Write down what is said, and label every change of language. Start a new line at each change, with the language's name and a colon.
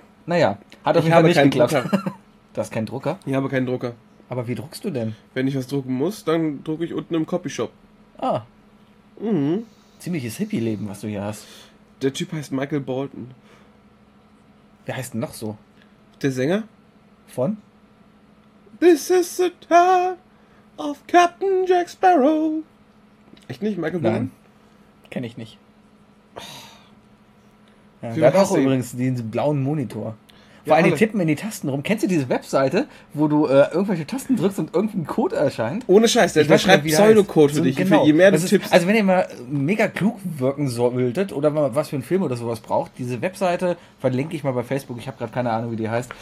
German: Naja, hat auf jeden Fall nicht geklappt. Drucker. Du hast keinen Drucker? Ich habe keinen Drucker. Aber wie druckst du denn? Wenn ich was drucken muss, dann drucke ich unten im Copyshop. Ah. Mhm. Ziemliches Hippie-Leben, was du hier hast. Der Typ heißt Michael Bolton. Wer heißt denn noch so? Der Sänger? Von?
English: This is the time of Captain Jack Sparrow.
German: Echt nicht, Michael Bolton? Nein, kenn ich nicht. Ja, der hat auch übrigens den blauen Monitor. Vor allem, die tippen in die Tasten rum. Kennst du diese Webseite, wo du irgendwelche Tasten drückst und irgendein Code erscheint? Ohne Scheiß, der schreibt Pseudocode für dich. Genau. Je mehr du tippst. Also wenn ihr mal mega klug wirken solltet oder mal was für einen Film oder sowas braucht, diese Webseite verlinke ich mal bei Facebook. Ich habe gerade keine Ahnung, wie die heißt.